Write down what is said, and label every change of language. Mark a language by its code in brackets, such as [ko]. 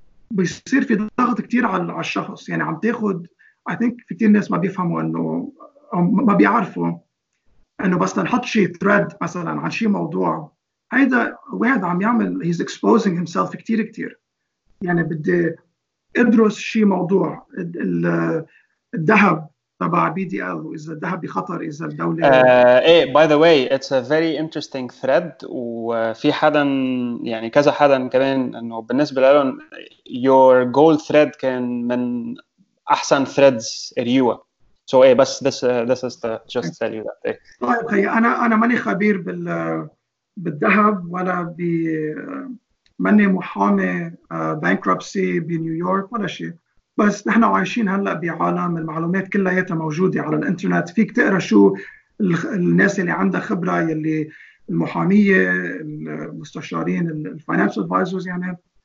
[ar] بيصير في ضغط كتير على الشخص. يعني عم تاخد [en] I think [ar] في كتير ناس ما بيفهموا أنه ما بيعرفوا أنه بس نحط شيء thread مثلاً عن شيء موضوع, هيدا واحد عم يعمل [en] he's exposing himself [ar] كتير كتير. يعني بدي ادرس شيء موضوع الذهب تبع BDL وإذا الذهب بخطر إذا الدولة إيه [en] by the way it's a very interesting thread. [ar] وفي حدا يعني كذا حدا كمان أنه بالنسبة لهم [en] your gold thread [ar] كان من أحسن threads ريوة. [en] So [ar] إيه بس [en] this is the, just tell you that. [ar] إيه. طيب خي أنا ماني خبير بالذهب ولا ب ماني محامي bankruptcy بنيويورك ولا شيء, بس نحن عايشين هلأ بعالم المعلومات كلها موجودة على الانترنت, فيك تقرأ شو الناس اللي عندها خبرة يلي المحامية المستشارين [en] الفاينانس ادفايزرز [ar] يعني